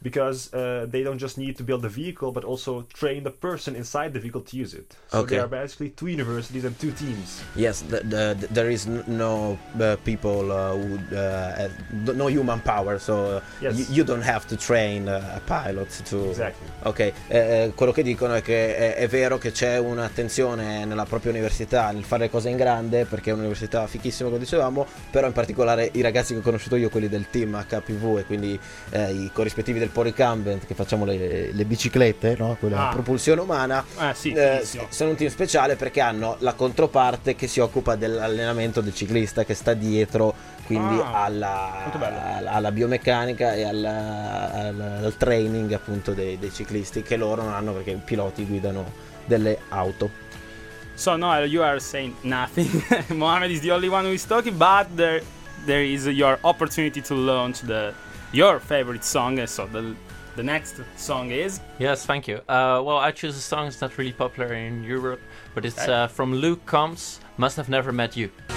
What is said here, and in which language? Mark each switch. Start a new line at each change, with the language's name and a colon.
English: Because they don't just need to build the vehicle, but also train the person inside the vehicle to use it. So there are basically two universities and two teams. Yes, there is no people who no human power, so you don't have to train a pilot to. Exactly. Okay.
Italian: Quello che dicono è che è vero che c'è un'attenzione nella propria università nel fare le cose in grande, perché è un'università fichissima, come dicevamo. Però in particolare i ragazzi che ho conosciuto io, quelli del team HPV e quindi i corrispettivi del Polycumbent, che facciamo le biciclette, no? Quella propulsione umana, sono un team speciale perché hanno la controparte che si occupa dell'allenamento del ciclista, che sta dietro, quindi alla biomeccanica e al training appunto dei ciclisti, che loro non hanno perché i piloti guidano delle auto.
English: So Noel, you are saying nothing. Mohamed is the only one who is talking, but there is your opportunity to launch your favorite song. So the next song is... Yes, thank you. Well, I choose a song that's not really popular in Europe, but it's from Luke Combs, Must Have Never Met You.